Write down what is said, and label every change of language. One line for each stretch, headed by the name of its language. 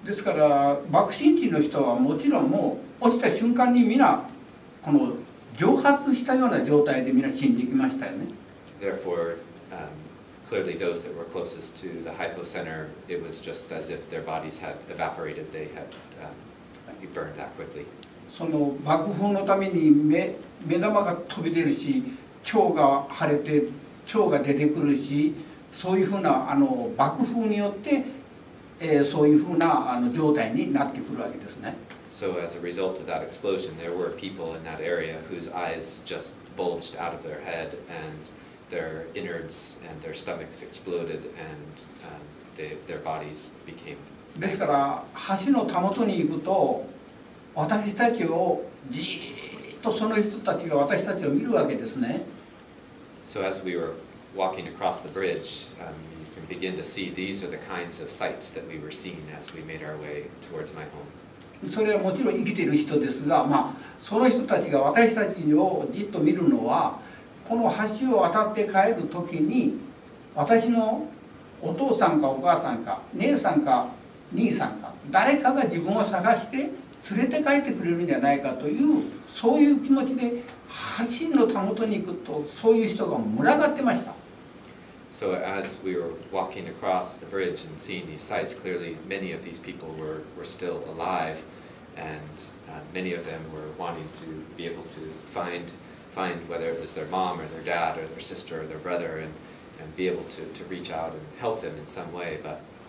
Japanese: ですから爆心地の人はもちろんもう落ちた瞬間にみんなこの蒸発したような状態でみんな死んでいきましたよね。
English: Therefore, clearly those that were closest to the hypocenter, it was just as if their bodies had evaporated, they had be burned that quickly.
Japanese: その爆風のために目玉が飛び出るし、腸が腫れて腸が出てくるし、そういうふうな爆風によって、そういうふうな状態になってくるわけですね。
English: So as a result of that explosion, there were people in that area whose eyes just bulged out of their head, and their innards and their stomachs exploded, and their bodies became.
Japanese: ですから橋のたもとに行くと私たちをじっとその人たちが私たちを見るわけですね。
English: So as we were walking across the bridge, you can begin to see these are the kinds of sights that we were seeing as we made our way towards my home.
Japanese: それはもちろん生きている人ですが、まあその人たちが私たちをじっと見るのはこの橋を渡って帰るときに私のお父さんかお母さんか姉さんか兄さんか誰かが自分を探して連れて帰ってくれるんじゃないかというそういう気持ちで橋のたもとに行くとそういう人が群がってました。
English: So as we were walking across the bridge and seeing these sights, clearly many of these people were still alive, and many of them were wanting to be able to find whether it was their mom or their dad or their sister or their brother and be able to reach out and help them in some way, but